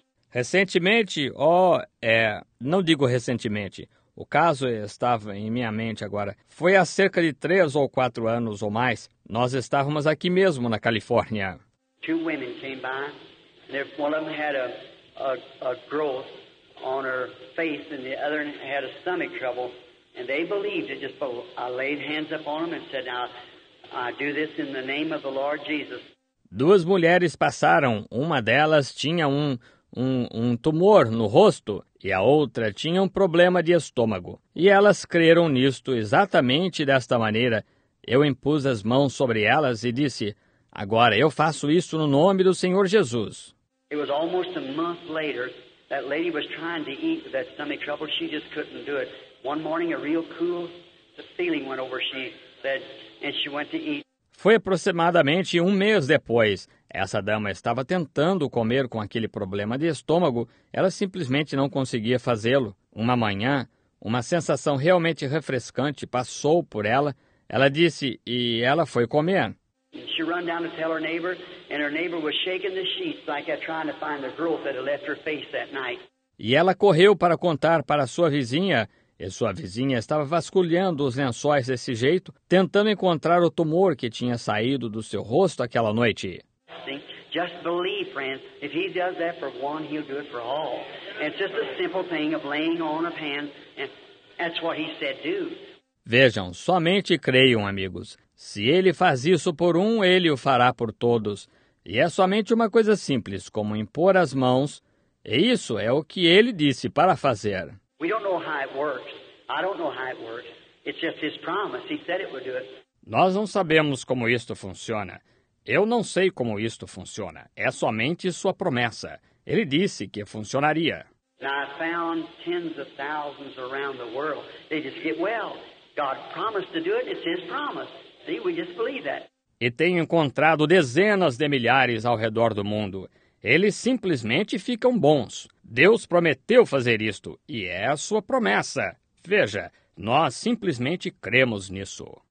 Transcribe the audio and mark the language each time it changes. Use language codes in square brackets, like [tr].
[pt] Recentemente, não digo recentemente, o caso estava em minha mente agora. Foi há cerca de 3 ou 4 anos ou mais, nós estávamos aqui mesmo na Califórnia. [en] Two women came by, and one of them had a growth on her face, and the other had a stomach trouble, and they believed it just both. I laid hands upon them and said, now, I do this in the name of the Lord Jesus. [pt] Duas mulheres passaram, uma delas tinha um tumor no rosto e a outra tinha um problema de estômago. E elas creram nisto exatamente desta maneira. Eu impus as mãos sobre elas e disse, agora eu faço isso no nome do Senhor Jesus. [en] It was almost a month later, that lady was trying to eat with that stomach trouble. She just couldn't do it. One morning, a real cool feeling went over, she said, and she went to eat. [pt] Foi aproximadamente um mês depois. Essa dama estava tentando comer com aquele problema de estômago. Ela simplesmente não conseguia fazê-lo. Uma manhã, uma sensação realmente refrescante passou por ela. Ela disse, e ela foi comer. [en] She ran down to tell her neighbor, and her neighbor was shaking the sheets like that, trying to find the growth that had left her face that night. [pt] E ela correu para contar para sua vizinha. E sua vizinha estava vasculhando os lençóis desse jeito, tentando encontrar o tumor que tinha saído do seu rosto aquela noite. [en] Just believe, friends, if he does that for one, he'll do it for all. It's just a simple thing of laying on of hands, and that's what he said do. [pt] Vejam, somente creiam, amigos. Se ele faz isso por um, ele o fará por todos. E é somente uma coisa simples, como impor as mãos, e isso é o que ele disse para fazer. [en] We don't know how it works. I don't know how it works. It's just his promise. He said it would do it. [pt] Nós não sabemos como isto funciona. Eu não sei como isto funciona. É somente sua promessa. Ele disse que funcionaria. [en] Now I found tens of thousands around the world. They just get well. God promised to do it. It's his promise. See, we just believe that. [pt] E tenho encontrado dezenas de milhares ao redor do mundo. Eles simplesmente ficam bons. Deus prometeu fazer isto, e é a sua promessa. Veja, nós simplesmente cremos nisso.